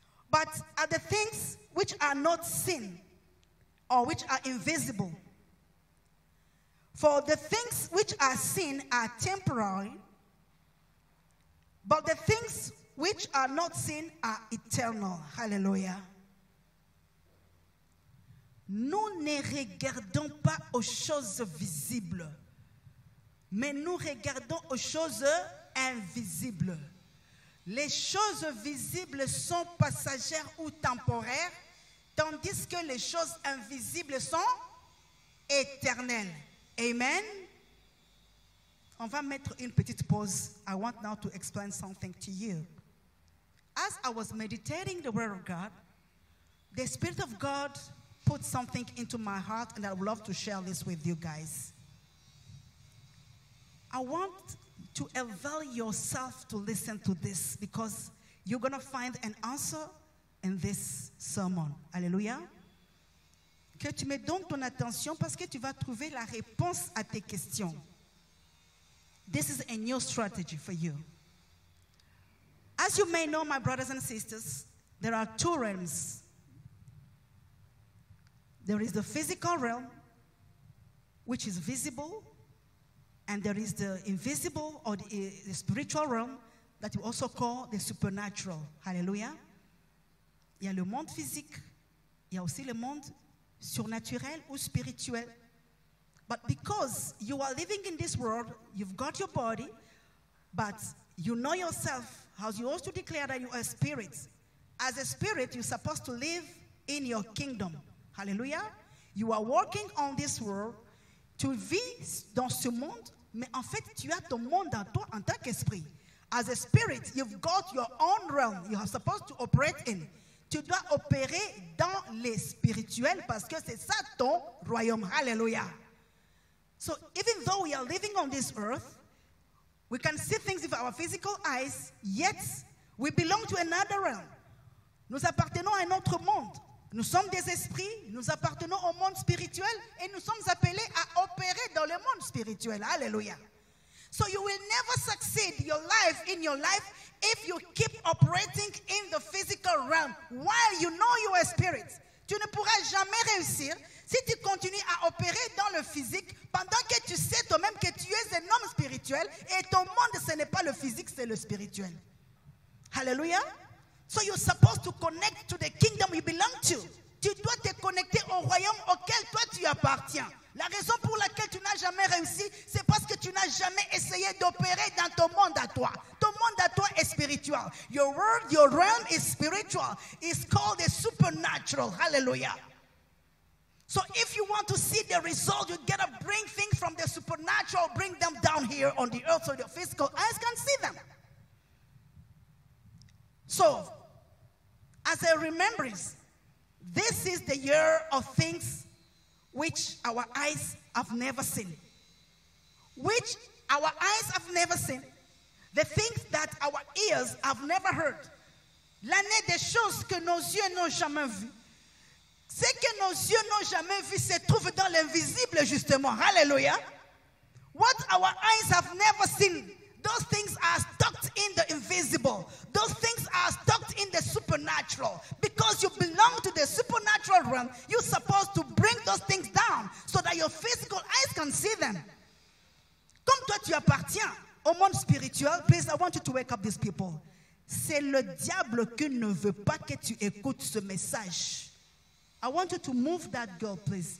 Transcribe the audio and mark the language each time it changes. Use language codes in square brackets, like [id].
[en] But at the things which are not seen or which are invisible. For the things which are seen are temporary, but the things which are not seen are eternal. Hallelujah. [fr] Nous ne regardons pas aux choses visibles, mais nous regardons aux choses invisibles. Les choses visibles sont passagères ou temporaires, tandis que les choses invisibles sont éternelles. Amen. On va mettre une petite pause. [en] I want now to explain something to you. As I was meditating the word of God, the Spirit of God put something into my heart, and I would love to share this with you guys. I want to avail yourself to listen to this, because you're going to find an answer in this sermon. Hallelujah. [fr] Que tu mets donc ton attention parce que tu vas trouver la réponse à tes questions. [en] This is a new strategy for you. As you may know, my brothers and sisters, there are two realms. There is the physical realm, which is visible, and there is the invisible or the spiritual realm that we also call the supernatural. Hallelujah. [fr] Il y a le monde physique, il y a aussi le monde surnaturel ou spirituel. [en] But because you are living in this world, you've got your body, but you know yourself, how you also declare that you are a spirit. As a spirit, you're supposed to live in your kingdom. Hallelujah. You are working on this world to [fr] vivre dans ce monde, mais en fait, tu as ton monde dans toi en tant qu'esprit. [en] As a spirit, you've got your own realm you are supposed to operate in. [fr] Tu dois opérer dans les spirituels parce que c'est ça ton royaume. Hallelujah. [en] So even though we are living on this earth, we can see things with our physical eyes, yet we belong to another realm. [fr] Nous appartenons à un autre monde. Nous sommes des esprits, nous appartenons au monde spirituel et nous sommes appelés à opérer dans le monde spirituel. [en] Hallelujah. So you will never succeed your life in your life if you keep operating in the physical realm while you know you are a spirit. [fr] Tu ne pourras jamais réussir Si tu continues à opérer dans le physique, pendant que tu sais toi-même que tu es un homme spirituel, et ton monde, ce n'est pas le physique, c'est le spirituel. Hallelujah. [en] So you're supposed to connect to the kingdom you belong to. [fr] Tu dois te connecter au royaume auquel toi tu appartiens. La raison pour laquelle tu n'as jamais réussi, c'est parce que tu n'as jamais essayé d'opérer dans ton monde à toi. Ton monde à toi est spirituel. [en] Your world, your realm is spiritual. It's called the supernatural. Hallelujah. So if you want to see the result, you gotta bring things from the supernatural, bring them down here on the earth so your physical eyes can see them. So, as a remembrance, this is the year of things which our eyes have never seen. Which our eyes have never seen. The things that our ears have never heard. [fr] L'année des choses que nos yeux n'ont jamais vues. Ce que nos yeux n'ont jamais vu se trouve dans l'invisible, justement. Hallelujah. [en] What our eyes have never seen, those things are stuck in the invisible. Those things are stuck in the supernatural. Because you belong to the supernatural realm, you're supposed to bring those things down so that your physical eyes can see them. [fr] Comme toi, tu appartiens au monde spirituel, [en] please, I want you to wake up these people. [fr] C'est le diable qui ne veut pas que tu écoutes ce message. [en] I want you to move that girl, please.